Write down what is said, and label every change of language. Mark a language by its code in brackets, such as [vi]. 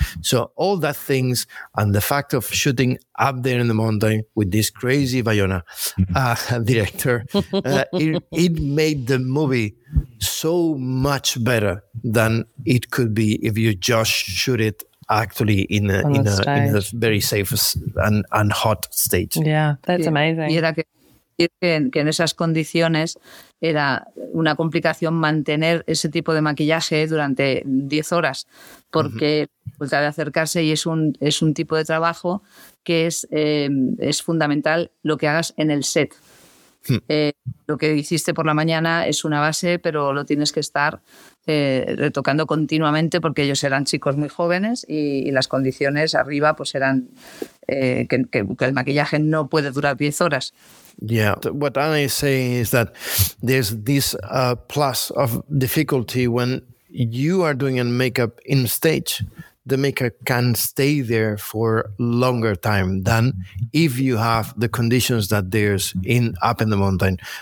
[en] So all that things and the fact of shooting up there in the mountain with this crazy Bayona director, it made the movie so much better than it could be if you just shoot it actually in a very safe and hot stage. Yeah, that's amazing. [es] Que en esas condiciones era una complicación mantener ese tipo de maquillaje durante 10 horas, porque uh-huh. Pues, de acercarse y es un tipo de trabajo que es fundamental lo que hagas en el set. Uh-huh. Lo que hiciste por la mañana es una base, pero lo tienes que estar retocando continuamente porque ellos eran chicos muy jóvenes y las condiciones arriba pues eran que el maquillaje no puede durar 10 horas. [en] Yeah, what Anna is saying is that there's this plus of difficulty when you are doing a makeup in stage. The makeup can stay there for longer time than if you have the conditions that there's up in the mountain.